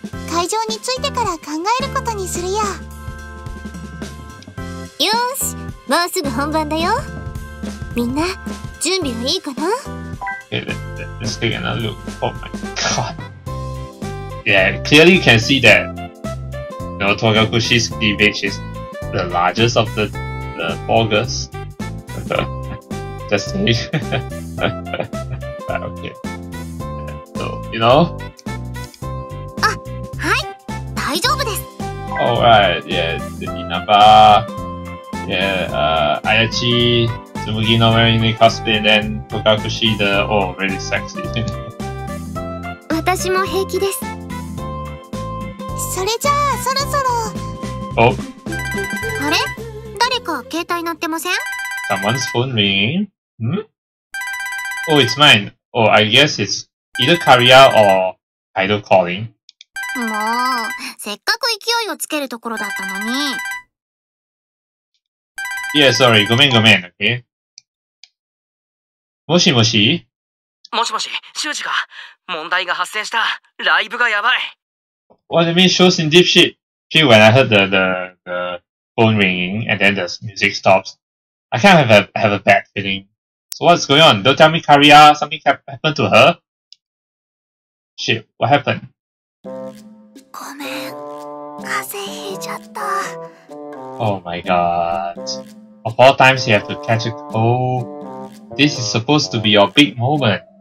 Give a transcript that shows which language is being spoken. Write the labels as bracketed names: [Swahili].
[Japanese] 会場に着いてから考えることにするよ。よし、もうすぐ本番だよ。みんな、準備はいいかな？ [English] Okay, let's take another look. Oh my god. Yeah, clearly you can see that, you know, Togakushi's cleavage is the largest of the four girls. Just saying. Okay. So, you know? Alright, yeah, the Inaba, yeah, Ayachi, Tsumugi not wearing any cosplay, then Togakushi, the, oh, really sexy. [Japanese] 私も平気です。それじゃあ、そろそろ。 [English] Oh. [Japanese] あれ？誰か携帯鳴ってません？ [English] Someone's phone ringing? Hmm? Oh, it's mine. Oh, I guess it's either Kariya or Idol calling. [Japanese] もう、せっかく勢いをつけるところだったのに。 [English] Yeah, sorry. [Japanese] ごめんごめん。 [English] Okay? [Japanese] もしもし？もしもし、シュージか。問題が発生した。ライブがやばい。 [English] What do you mean shows in deep shit? Actually, when I heard the phone ringing and then the music stops, I kind of have a bad feeling. So what's going on? Don't tell me Kariya, something happened to her? Shit, what happened? [Japanese] ごめん、風邪ひいちゃった。 [English] Oh my god. Of all times you have to catch a cold. This is supposed to be your big moment.